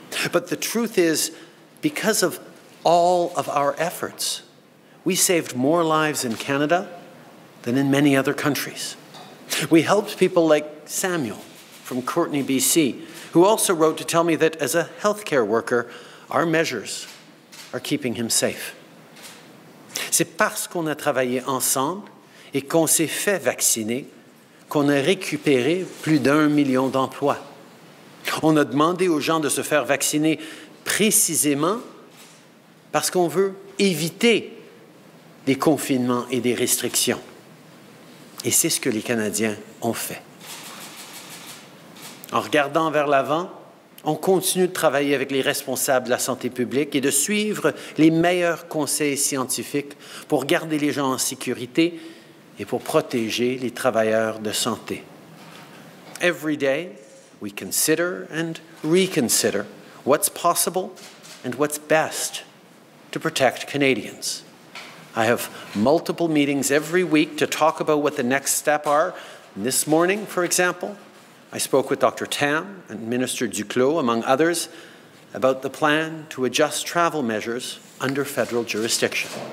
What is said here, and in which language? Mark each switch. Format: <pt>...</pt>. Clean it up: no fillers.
<en>But the truth is, because of all of our efforts, we saved more lives in Canada than in many other countries. We helped people like Samuel from Courtenay, BC, who also wrote to tell me that as a healthcare worker, our measures are keeping him safe.</en> <fr>C'est parce qu'on a travaillé ensemble et qu'on s'est fait vacciner qu'on a récupéré plus d'un million d'emplois. On a demandé aux gens de se faire vacciner précisément parce qu'on veut éviter des confinements et des restrictions. Et c'est ce que les Canadiens ont fait. En regardant vers l'avant, on continue de travailler avec les responsables de la santé publique et de suivre les meilleurs conseils scientifiques pour garder les gens en sécurité et pour protéger les travailleurs de santé.</fr> <en>Every day, we consider and reconsider what's possible and what's best to protect Canadians. I have multiple meetings every week to talk about what the next steps are. This morning, for example, I spoke with Dr. Tam and Minister Duclos, among others, about the plan to adjust travel measures under federal jurisdiction.</en>